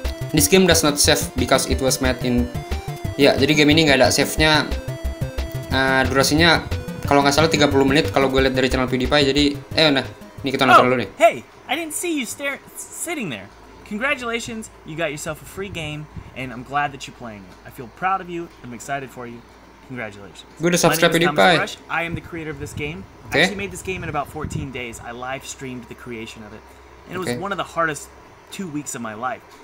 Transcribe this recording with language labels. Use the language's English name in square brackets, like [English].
[English] This game does not save because it was made in... [Indonesian] Ya, jadi game ini gak ada save-nya. Durasinya kalau gak salah 30 menit kalau gue lihat dari channel PewDiePie. Jadi, ini kita nonton dulu nih. [English] Hey, I didn't see you sitting there. Congratulations, you got yourself a free game, and I'm glad that you're playing it. I feel proud of you, I'm excited for you. Congratulations. Good to subscribe, PewDiePie. I am the creator of this game. Okay. I actually made this game in about 14 days. I live streamed the creation of it, and it was one of the hardest 2 weeks of my life.